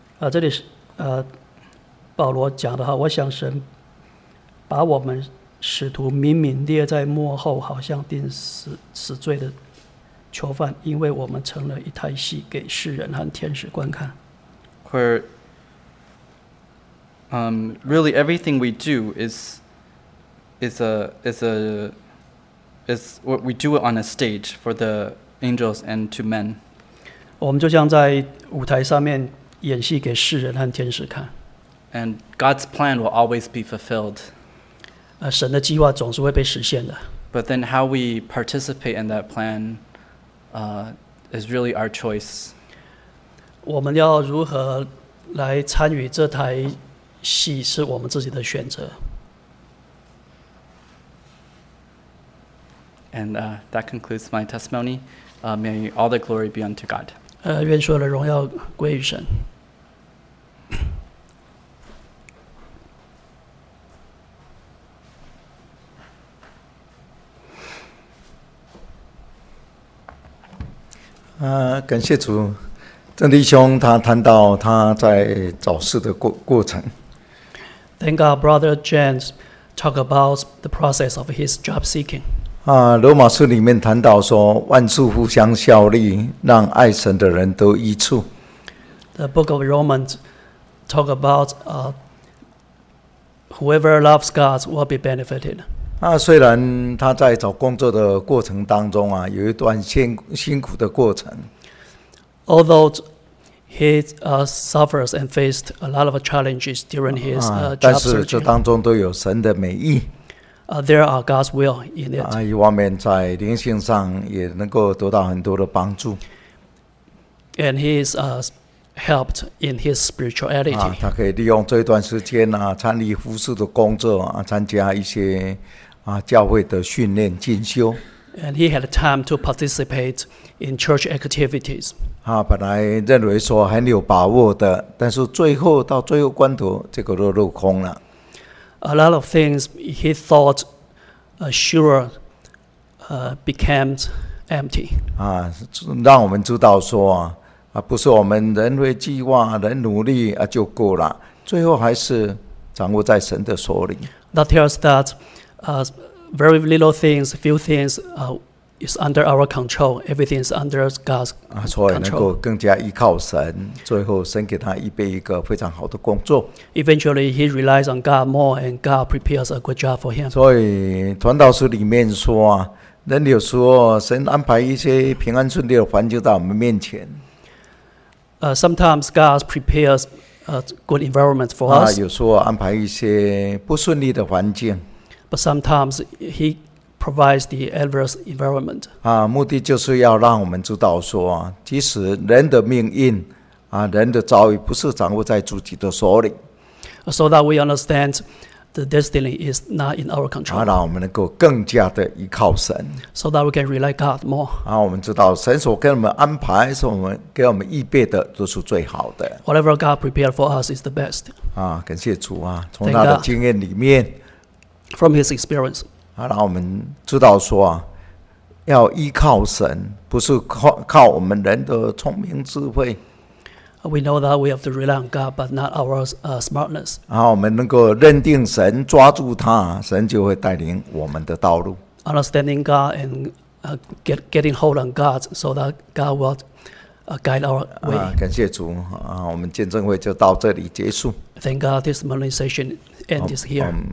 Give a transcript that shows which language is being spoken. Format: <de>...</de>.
<zh>这里是保罗讲的哈，我想神把我们使徒明明列在幕后，好像定死罪的囚犯，因为我们成了一台戏给世人和天使观看。</zh> <en>Where really everything we do is what we do it on a stage for the angels and to men.</en> <zh>我们就像在舞台上面演戏给世人和天使看。</zh> <en>And God's plan will always be fulfilled.</en> <zh>神的计划总是会被实现的。</zh> <en>But then how we participate in that plan, is really our choice.</en> <zh>我们要如何来参与这台戏是我们自己的选择。</zh> <en>And that concludes my testimony. May all the glory be unto God.</en> <zh>愿所有的荣耀归于神。感谢主，郑弟兄他谈到他在早逝的过程。</zh> <en>Thank God, Brother James talk about the process of his job seeking.</en> <zh>罗马书里面谈到说万事互相效力让爱神的人都益处。</zh> <en>The book of Romans talk about whoever loves God will be benefited.</en> <zh>虽然他在找工作的过程当中有一段辛苦的过程。</zh> <en>Although He suffers and faced a lot of challenges during his job search.</en> <zh>但是这当中都有神的美意。</zh> <en>There are God's will in it.</en> <zh>一方面在灵性上也能够得到很多的帮助。</zh> <en>And he is helped in his spirituality.</en> <zh>他可以利用这段时间参与服事的工作参加一些教会的训练进修。</zh> <en>And he had time to participate in church activities.</en> <zh>本来认为说很有把握的，但是最后到最后关头，这个都落空了。</zh> <en>A lot of things he thought sure became empty.</en> <zh>让我们知道说不是我们人为计划、人努力就够了，最后还是掌握在神的手里。</zh> <en>That tells that, very little things, few things, is under our control. Everything is under God's control.</en> <zh>所以能够更加依靠神，最后神给他预备一个非常好的工作。</zh> <en>Eventually, he relies on God more, and God prepares a good job for him.</en> <zh>所以传道书里面说人有时候神安排一些平安顺利的环境在我们面前。</zh> <en>Sometimes God prepares a good environment for us.</en> <zh>有时候安排一些不顺利的环境。</zh> <en>But sometimes he provides the adverse environment.</en> <zh>目的就是要让我们知道说即使人的命运人的遭遇不是掌握在自己的手里。</zh> <en>So that we understand the destiny is not in our control.</en> <zh>让我们能够更加的依靠神。</zh> <en>So that we can rely God more.</en> <zh>我们知道神所给我们安排是我们给我们预备的都是最好的。</zh> <en>Whatever God prepared for us is the best.</en> <zh>感谢主从他的经验里面。</zh> <en>From his experience,</en> <zh>让我们知道说要依靠神，不是靠我们人的聪明智慧。</zh> <en>We know that we have to rely on God, but not our smartness.</en> <zh>我们能够认定神，抓住他，神就会带领我们的道路。</zh> <en>Understanding God and getting hold on God, so that God will guide our way.</en> <zh>感谢主我们见证会就到这里结束。</zh> <en>Thank God, this morning session. And is here.</en>